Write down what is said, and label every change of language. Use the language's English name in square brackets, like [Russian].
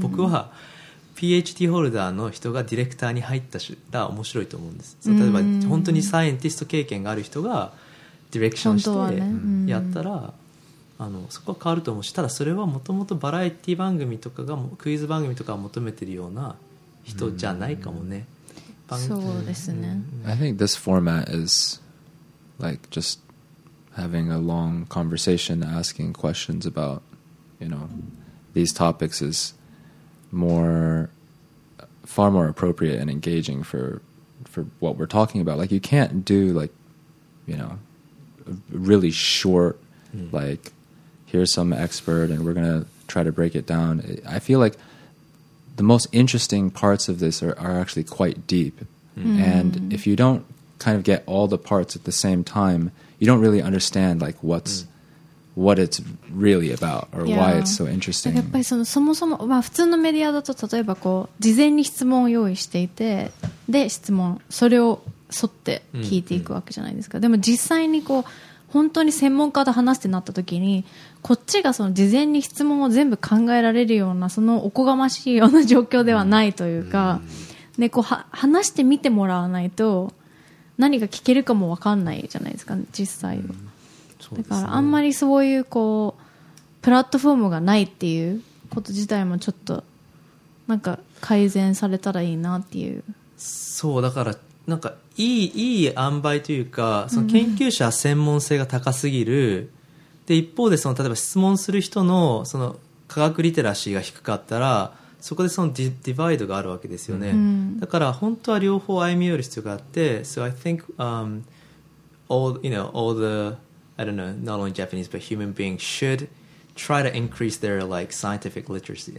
[Japanese] 僕は PhD ホルダーの人がディレクターに入ったら面白いと思うんです。例えば本当にサイエンティスト経験がある人がディレクションしてやったら、うんそこは変わると思うし、ただそれはもともとバラエティ番組とかがクイズ番組とかを求めているような人じゃないかもね。そうですね。 [English] I think this format is like just having a long conversation asking questions about, you know, these topics is more, far more appropriate and engaging for what we're talking about. Like you can't do like, you know, really short like here's some expert and we're going to try to break it down. I feel like the most interesting parts of this are actually quite deep. Mm. And if you don't kind of get all the parts at the same time, you don't really understand like what it's really about or why it's so interesting. [Japanese] やっぱりそもそも、まあ、普通のメディアだと例えばこう事前に質問を用意していて、で質問それを沿って聞いていくわけじゃないですか。でも実際にこう本当に専門家と話すってなった時にこっちがその事前に質問を全部考えられるようなそのおこがましいような状況ではないというか、うん、でこうは話してみてもらわないと何が聞けるかも分かんないじゃないですか、ね、実際は、うんそうですね、だからあんまりそういうこうプラットフォームがないっていうこと自体もちょっとなんか改善されたらいいなっていう。そうだからなんかいい塩梅というかその研究者専門性が高すぎる、うん、で一方でその例えば質問する人 その科学リテラシーが低かったらそこでその ディバイドがあるわけですよね、うん、だから本当は両方歩み寄る必要があって [English] So I think all, you know, all the I don't know, not only Japanese but human beings should try to increase their like scientific literacy、